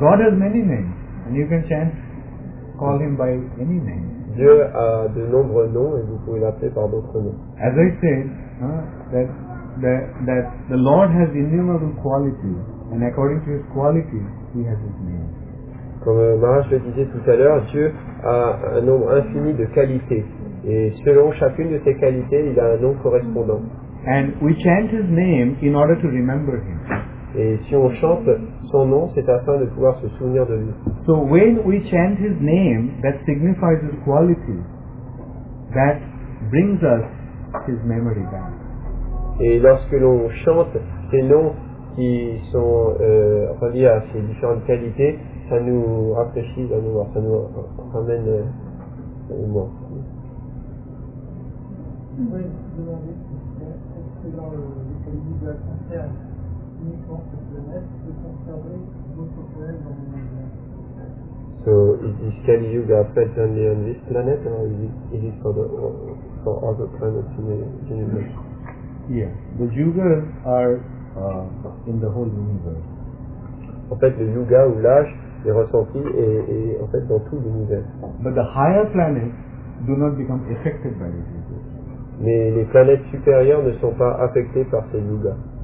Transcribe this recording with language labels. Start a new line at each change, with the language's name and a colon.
English: God has many names, and you can chant, call him by any name.
French: Dieu a de nombreux noms, et vous pouvez l'appeler par d'autres noms.
English: As I said, that the Lord has innumerable qualities, and according to his qualities, he has his name.
French: Comme Maharaj le disait tout à l'heure, Dieu a un nombre infini de qualités. Et selon chacune de ces qualités, il a un nom correspondant.
English: And we chant his name in order to remember him.
French: Et si on chante son nom, c'est afin de pouvoir se souvenir de lui.
English: So when we chant his name, that signifies his quality, that brings us his memory back.
French: Et lorsque l'on chante ses noms qui sont reliés à ses différentes qualités, ça nous rafraîchit, ça nous ramène au moins.
English: So, is this Kali Yuga present on this planet, or is it for other planets in the universe? Yeah, the Yugas are in the whole universe.
French: En fait, le Yuga ou l'âge est ressenti et en fait dans tout l'univers.
English: But the higher planets do not become affected by it.
French: Mais les planètes supérieures ne sont pas affectées par ces yugas.